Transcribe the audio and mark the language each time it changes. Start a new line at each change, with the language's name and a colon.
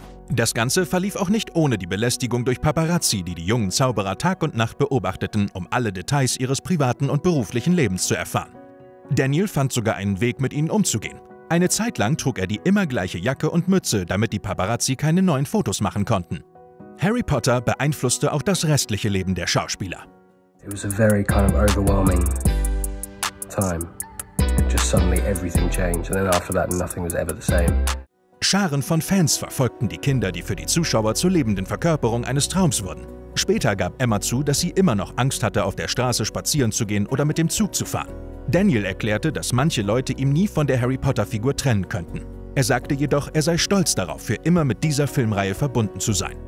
German: Das Ganze verlief auch nicht ohne die Belästigung durch Paparazzi, die die jungen Zauberer Tag und Nacht beobachteten, um alle Details ihres privaten und beruflichen Lebens zu erfahren. Daniel fand sogar einen Weg, mit ihnen umzugehen. Eine Zeit lang trug er die immer gleiche Jacke und Mütze, damit die Paparazzi keine neuen Fotos machen konnten. Harry Potter beeinflusste auch das restliche Leben der Schauspieler.
English: It was a very kind of overwhelming time. Just suddenly everything changed, and then after that nothing was ever the same.
German: Scharen von Fans verfolgten die Kinder, die für die Zuschauer zur lebenden Verkörperung eines Traums wurden. Später gab Emma zu, dass sie immer noch Angst hatte, auf der Straße spazieren zu gehen oder mit dem Zug zu fahren. Daniel erklärte, dass manche Leute ihn nie von der Harry Potter-Figur trennen könnten. Er sagte jedoch, er sei stolz darauf, für immer mit dieser Filmreihe verbunden zu sein.